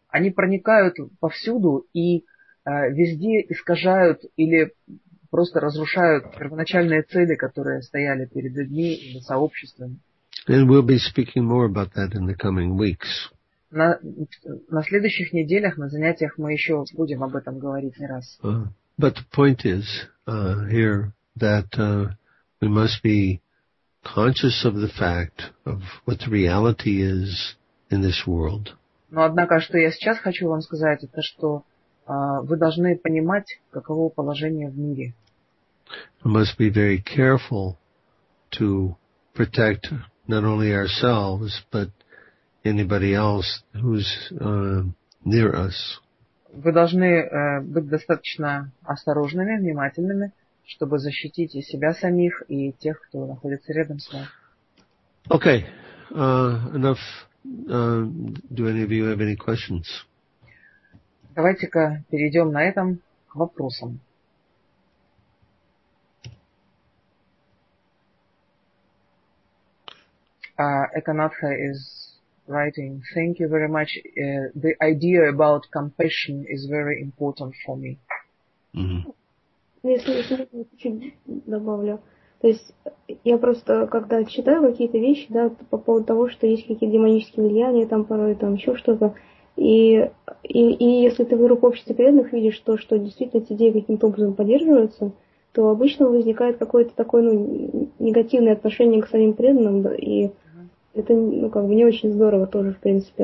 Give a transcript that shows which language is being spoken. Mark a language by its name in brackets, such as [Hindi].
[Russian] Они проникают повсюду и везде искажают или просто разрушают первоначальные цели, которые стояли перед людьми или сообществом. [English] And we'll be speaking more about that in the coming weeks. [Russian] На следующих неделях, на занятиях мы еще будем об этом говорить не раз. [English] But the point is here that we must be conscious of the fact of what the reality is in this world. [Russian] Но однако, что я сейчас хочу вам сказать, это что вы должны понимать, каково положение в мире. [English] We must be very careful to protect not only ourselves, but anybody else who's near us. [Russian] Вы должны быть достаточно осторожными, внимательными, чтобы защитить и себя самих, и тех, кто находится рядом с вами. [English] Okay, enough. Do any of you have any questions? [Russian] Давайте-ка перейдем на этом к вопросам. [English] Ekanatha is writing, thank you very much. The idea about compassion is very important for me. [Russian] Mm-hmm. Если чуть-чуть добавлю. То есть я просто когда читаю какие-то вещи, да, по поводу того, что есть какие-то демонические влияния, там порой там еще что-то. И если ты в группе общества преданных видишь то, что действительно эти идеи каким-то образом поддерживаются, то обычно возникает какое-то такое негативное отношение к самим преданным, да, и это, ну, как бы не очень здорово тоже, в принципе.